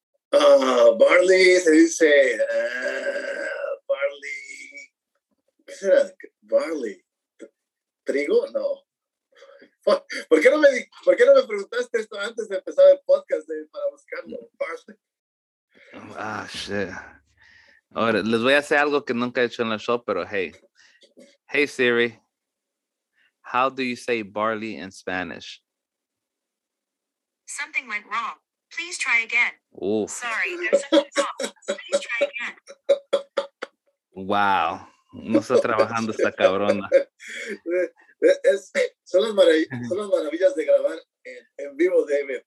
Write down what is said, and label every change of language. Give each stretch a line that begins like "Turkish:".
Spanish: Barley se dice barley. ¿Qué será? Barley. ¿Trigo? No. ¿Por qué no me preguntaste esto antes de empezar el podcast para buscarlo? Barley.
English: Ah, shit.
Spanish: Ahora, les voy a hacer algo que nunca he hecho en el show, pero hey.
English: Hey, Siri. How do you say barley in Spanish? Something went wrong. Please try again. Ooh. Sorry, there's something wrong. Please try again. Wow.
Spanish: No está trabajando esta cabrona. Son las maravillas de grabar en vivo, David.